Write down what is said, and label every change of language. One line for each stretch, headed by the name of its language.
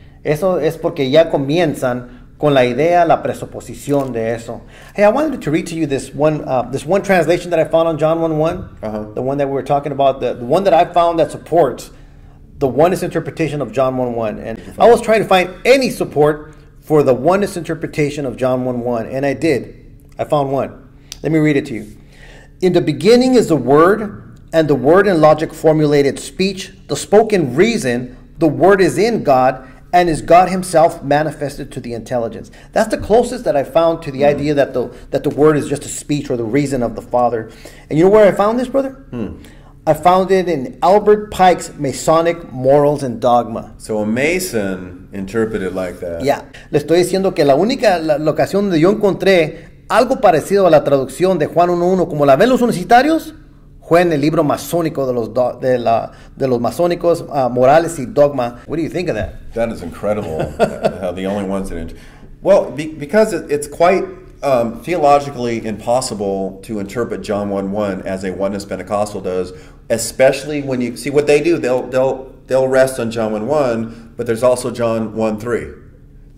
Spanish: Eso es porque ya comienzan con la idea, la presuposición de eso.
English: Hey, I wanted to read to you this one translation that I found on John 1:1, the one that we were talking about, the one that I found that supports the oneness interpretation of John 1:1. And I was trying to find any support for the oneness interpretation of John 1:1, and I did. I found one. Let me read it to you. In the beginning is the Word, and the Word and logic formulated speech, the spoken reason, the Word is in God, and is God himself manifested to the intelligence. That's the closest that I found to the idea that the word is just a speech or the reason of the Father. And you know where I found this, brother? I found it in Albert Pike's Masonic Morals and Dogma. So a Mason interpreted like that. Yeah.
Spanish: Le estoy diciendo que la única locación donde yo encontré algo parecido a la traducción de Juan 1:1 como la ven los universitarios fue en el libro masónico de los masónicos, Morales y Dogma.
English: What do you think of that? That is incredible. The only ones that... Well, because it's quite theologically impossible to interpret John 1:1 as a oneness Pentecostal does, especially when you... See, what they do, they'll rest on John 1:1, but there's also John 1:3.